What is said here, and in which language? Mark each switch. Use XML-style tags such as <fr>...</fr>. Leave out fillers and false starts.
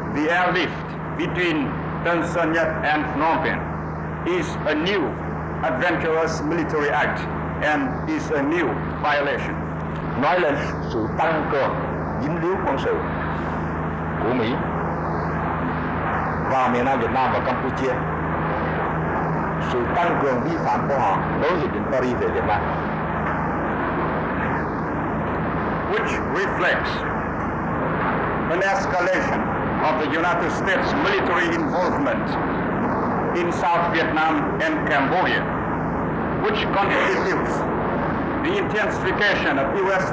<en>airlift between Tan Son Nhat and Phnom Penh is a new adventurous military act and is a new violation.</en> <vi>Nói lên sự tăng cường dính líu quân sự của Mỹ và miền Nam Việt Nam và Campuchia, sự tăng cường vi phạm của họ đối với định Paris về Việt Nam,</vi> <en>which reflects an escalation of the United States military involvement in South Vietnam and Cambodia, which constitutes the intensification of U.S.</en>